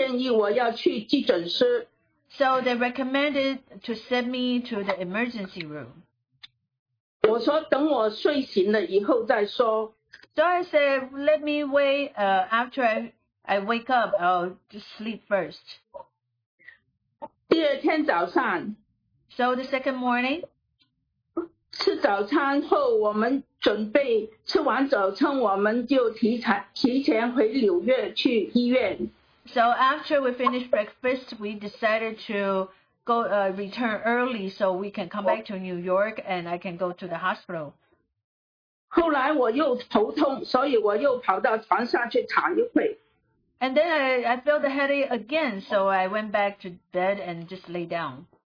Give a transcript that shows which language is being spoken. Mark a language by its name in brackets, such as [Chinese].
[Chinese] 他们都要建议我要去急诊室。 [English] So they recommended to send me to the emergency room. [Chinese] 我说等我睡醒了以后再说。 [English] So I said, let me wait after I wake up, I'll just sleep first. [Chinese] 第二天早上, [English] so the second morning, [Chinese] 吃完早餐我们就提前回纽约去医院。 [English] So after we finished breakfast, we decided to go return early so we can come back to New York and I can go to the hospital. [Chinese] 后来我又头痛，所以我又跑到床上去躺一会。 [English] And then I felt the headache again, so I went back to bed and just lay down.